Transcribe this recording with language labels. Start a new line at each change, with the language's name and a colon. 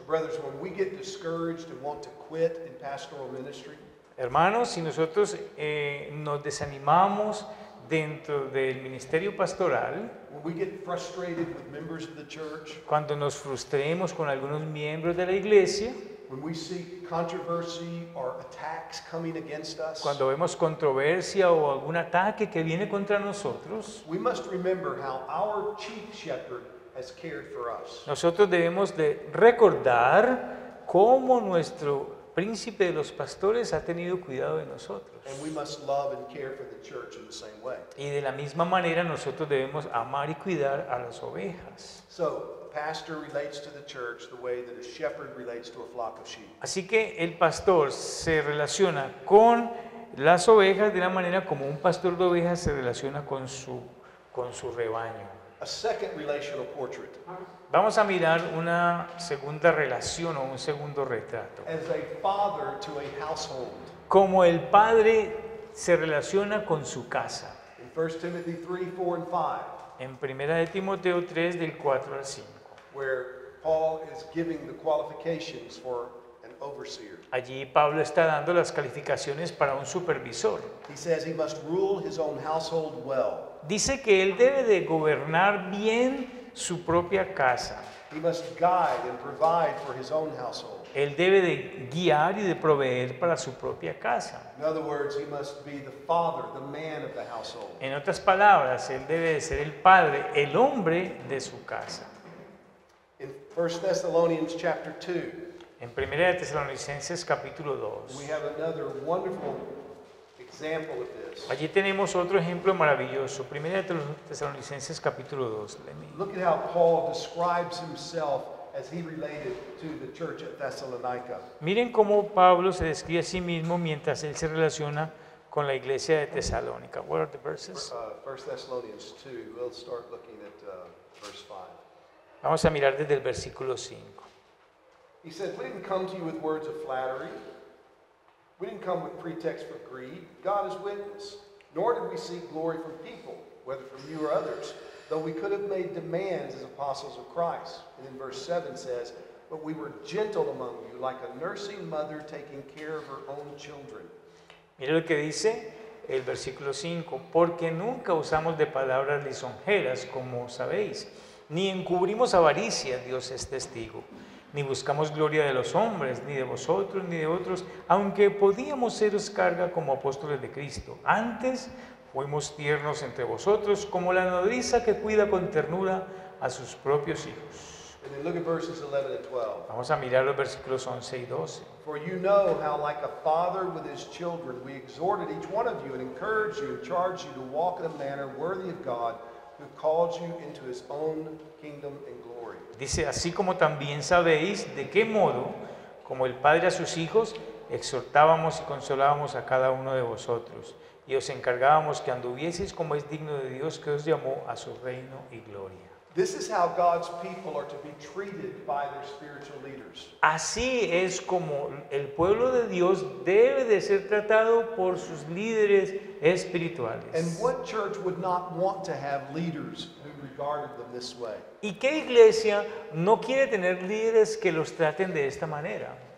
English: Brothers, when we get discouraged and want to quit in pastoral ministry,
Spanish: hermanos, si nosotros nos desanimamos dentro del ministerio pastoral,
English: when we get frustrated with members of the church,
Spanish: cuando nos frustremos con algunos miembros de la iglesia,
English: when we see controversy or attacks coming against us,
Spanish: cuando vemos controversia o algún ataque que viene contra nosotros,
English: we must remember how our chief shepherd has cared for us.
Spanish: Nosotros debemos de recordar cómo nuestro príncipe de los pastores ha tenido cuidado de nosotros.
English: And we must love and care for the church in the same way.
Spanish: Y de la misma manera nosotros debemos amar y cuidar a las ovejas.
English: So, a pastor relates to the church the way that a shepherd relates to a flock of sheep.
Spanish: Así que el pastor se relaciona con las ovejas de la manera como un pastor de ovejas se relaciona con su rebaño.
English: A second relational portrait.
Spanish: Vamos a mirar una segunda relación o un segundo retrato.
English: As a father to a household.
Spanish: Como el padre se relaciona con su casa.
English: In 1 Timothy 3, 4 and 5.
Spanish: En 1 de Timoteo 3 del 4 al 5.
English: Where Paul is giving the qualifications for an overseer.
Spanish: Allí Pablo está dando las calificaciones para un supervisor.
English: He says he must rule his own household well.
Spanish: Dice que él debe de gobernar bien su propia casa.
English: He must guide and provide for his own household.
Spanish: Él debe de guiar y de proveer para su propia casa.
English: In other words, he must be the father, the man of the household.
Spanish: En otras palabras, él debe de ser el padre, el hombre de su casa.
English: In 1 Thessalonians chapter 2.
Spanish: En 1 Tesalonicenses capítulo 2.
English: We have another wonderful example of this.
Spanish: Allí tenemos otro ejemplo maravilloso. 1 Tesalonicenses capítulo 2.
English: Look at how Paul describes himself as he related to the church at Thessalonica.
Spanish: Miren cómo Pablo se describe a sí mismo mientras él se relaciona con la iglesia de Tesalónica.
English: What are the verses? 1 Thessalonians 2. We'll start looking at verse 5.
Spanish: Vamos a mirar desde el versículo 5.
English: He said, "We didn't come to you with words of flattery. We didn't come with pretext for greed. God is witness. Nor did we seek glory from people, whether from you or others, though we could have made demands as apostles of Christ. And then verse 7 says, but we were gentle among you, like a nursing mother taking care of her own children.
Spanish: Mira lo que dice el versículo 5, porque nunca usamos de palabras lisonjeras, como sabéis, ni encubrimos avaricia, Dios es testigo, ni buscamos gloria de los hombres, ni de vosotros, ni de otros, aunque podíamos seros carga como apóstoles de Cristo. Antes fuimos tiernos entre vosotros, como la nodriza que cuida con ternura a sus propios hijos.
English: And then look at verses 11 and 12.
Spanish: Vamos a mirar los versículos 11 y 12.
English: For you know how, like a father with his children, we exhorted each one of you and encouraged you and charged you to walk in a manner worthy of God, who called you into his own kingdom and glory.
Spanish: Dice, así como también sabéis de qué modo, como el padre a sus hijos, exhortábamos y consolábamos a cada uno de vosotros, y os encargábamos que anduvieseis como es digno de Dios que os llamó a su reino y gloria.
English: This is how God's people are to be treated by their spiritual leaders.
Spanish: Así es como el pueblo de Dios debe de ser tratado por sus líderes espirituales.
English: And what church would not want to have leaders who regarded them this way?
Spanish: ¿Y qué iglesia no quiere tener líderes que los traten de esta manera?